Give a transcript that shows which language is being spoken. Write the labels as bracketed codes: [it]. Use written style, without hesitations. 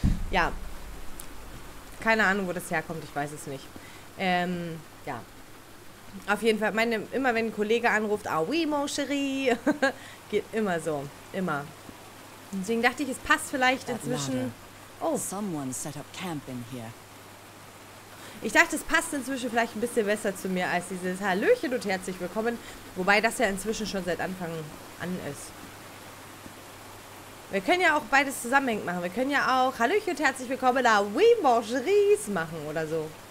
[de] Ja, keine Ahnung, wo das herkommt, ich weiß es nicht. Ja. Auf jeden Fall, immer wenn ein Kollege anruft, [fr] ah oui, mon chéri, [de] geht immer so. Immer. Deswegen dachte ich, es passt vielleicht inzwischen. Oh. [en] Someone set up camp in here. [de] Ich dachte, es passt inzwischen vielleicht ein bisschen besser zu mir als dieses Hallöchen und herzlich willkommen. Wobei das ja inzwischen schon seit Anfang an ist. Wir können ja auch beides zusammenhängend machen. Wir können ja auch Hallöchen und herzlich willkommen, [fr] ah oui, mon chéris [de] machen oder so.